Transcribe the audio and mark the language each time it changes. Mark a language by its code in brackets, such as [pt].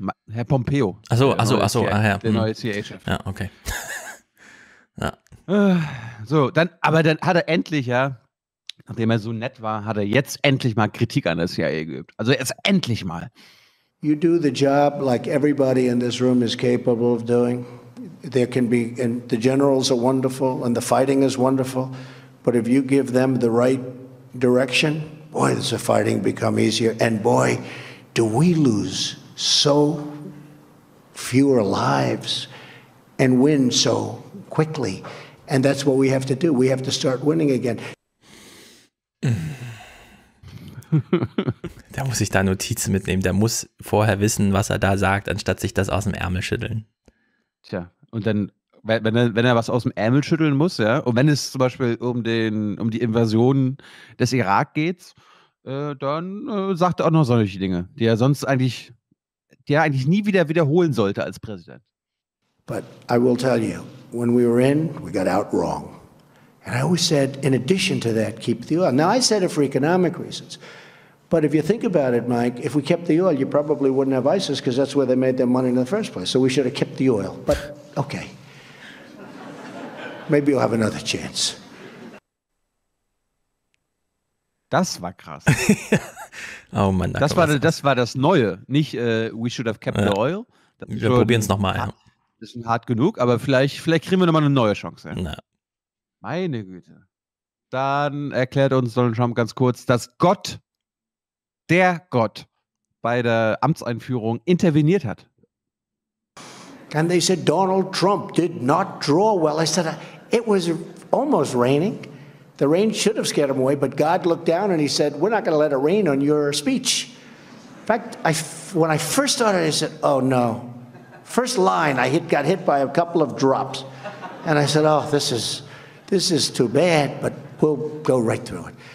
[de] Herr Pompeo. Der neue CIA-Chef. Ja, okay. Ja. So, dann, aber dann hat er endlich, ja, nachdem er so nett war, hat er jetzt endlich mal Kritik an der CIA geübt. Also jetzt endlich mal. [en] You do the job like everybody in this room is capable of doing. There can be, and the generals are wonderful and the fighting is wonderful, but if you give them the right direction, boy, does the fighting become easier and boy, do we lose so fewer lives and win so quickly. And that's what we have to do. We have to start winning again. [de] Da muss ich da Notizen mitnehmen. Der muss vorher wissen, was er da sagt, anstatt sich das aus dem Ärmel schütteln. Tja, und dann, wenn er was aus dem Ärmel schütteln muss, ja, und wenn es zum Beispiel um die Invasion des Irak geht, dann sagt er auch noch solche Dinge, die er sonst eigentlich. Der eigentlich nie wieder wiederholen sollte als Präsident. [en] But I will tell you, when we were in, we got out wrong. And I always said, in addition to that, keep the oil. Now, I said it for economic reasons. But if you think about it, Mike, if we kept the oil, you probably wouldn't have ISIS, because that's where they made their money in the first place. So we should have kept the oil. But, okay. Maybe you'll have another chance. [de] Das war krass. Oh Mann, das war das Neue, nicht [en] we should have kept the oil. [de] Wir probieren es nochmal. Das ist hart genug, aber vielleicht kriegen wir nochmal eine neue Chance. Ja. Meine Güte. Dann erklärt uns Donald Trump ganz kurz, dass Gott, der Gott, bei der Amtseinführung interveniert hat. [en] And they said Donald Trump did not draw well. I said it was almost raining. The rain should have scared him away, but God looked down and he said, we're not going to let it rain on your speech. In fact, when I first started, I said, oh, no, First line, I got hit by a couple of drops. And I said, oh, this is too bad, but we'll go right through it.